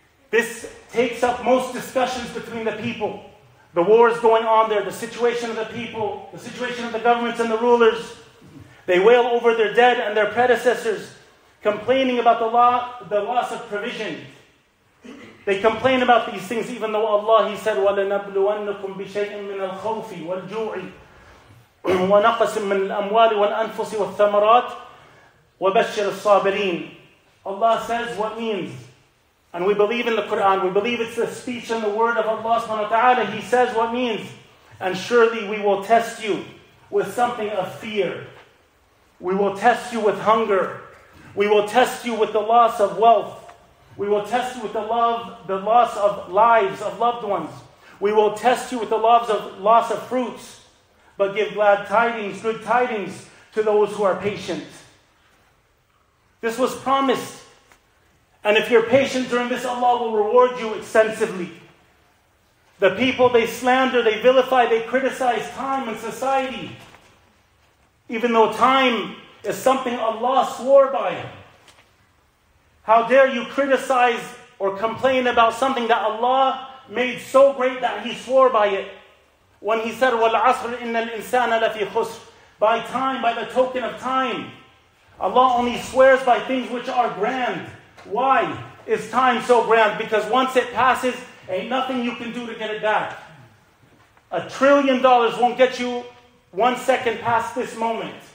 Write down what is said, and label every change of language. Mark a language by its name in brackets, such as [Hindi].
[English] This takes up most discussions between the people. The wars going on there, the situation of the people, the situation of the governments and the rulers. They wail over their dead and their predecessors, complaining about the loss of provision. They complain about these things, even though Allah, He said, [Arabic] وَلَنَبْلُوَنَّكُمْ بِشَيْءٍ مِّنَ الْخَوْفِ وَالْجُوعِ وَنَقَسٍ مِّنْ الْأَمْوَالِ وَالْأَنفُسِ وَالثَّمَرَاتِ وَبَشِّرِ الصَّابِرِينَ. [English] Allah says what means. And we believe in the Quran. We believe it's the speech and the word of Allah subhanahu wa ta'ala. He says what means. And surely we will test you with something of fear. We will test you with hunger. We will test you with the loss of wealth. We will test you with the loss of lives, of loved ones. We will test you with the loss of fruits. But give glad tidings, good tidings to those who are patient. This was promised. And if you're patient during this, Allah will reward you extensively. The people, they slander, they vilify, they criticize time and society. Even though time is something Allah swore by. How dare you criticize or complain about something that Allah made so great that He swore by it. When He said, [Arabic] وَالْعَصْرِ إِنَّ الْإِنسَانَ لَفِي خُسْرِ. [English] By time, by the token of time. Allah only swears by things which are grand. Why is time so grand? Because once it passes, ain't nothing you can do to get it back. $1 trillion won't get you 1 second past this moment.